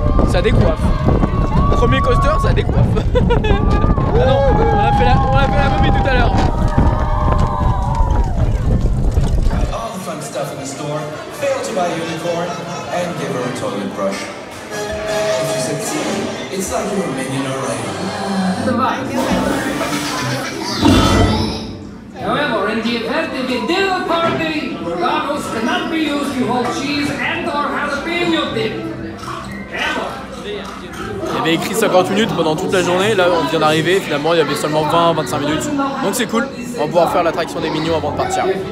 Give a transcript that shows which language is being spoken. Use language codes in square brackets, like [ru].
[fr] Ça décoiffe. Premier coaster, ça décoiffe. Ah non, on a fait la momie tout à l'heure. [en] All the fun stuff in the store, fail to buy a unicorn and give her a toilet brush. If you succeed, it's like you're a minion already. However, in the event of a dinner party, burritos cannot be used to hold cheese and or jalapeno dip. [fr] Il y avait écrit 50 minutes pendant toute la journée, là on vient d'arriver, finalement il y avait seulement 20-25 minutes. Donc c'est cool, on va pouvoir faire l'attraction des mignons avant de partir.